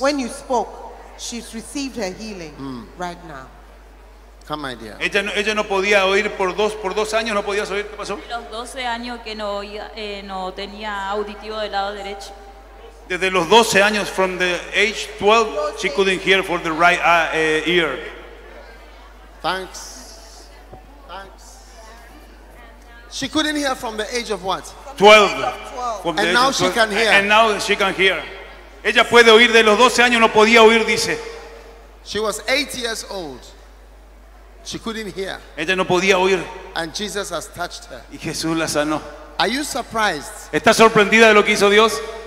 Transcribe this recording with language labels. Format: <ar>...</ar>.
<en>When you spoke, she's received her healing right now. Come, my dear.</en> <es>Ella no podía oír por dos años, no podía oír. ¿Qué pasó? Los 12 años que no oía, no tenía auditivo del lado derecho. Desde los 12 años,</es> <en>from the age 12, she couldn't hear for the right ear. Thanks. She couldn't hear from the age of what? 12. And now she can hear. And now she can hear.</en> <es>Ella puede oír de los 12 años, no podía oír, dice.</es> <en>She was 8 years old. She couldn't hear.</en> <es>Ella no podía oír.</es> <en>And Jesus has touched her.</en> <es>Y Jesús la sanó.</es> <en>Are you surprised?</en> <es>¿Estás sorprendida de lo que hizo Dios?</es>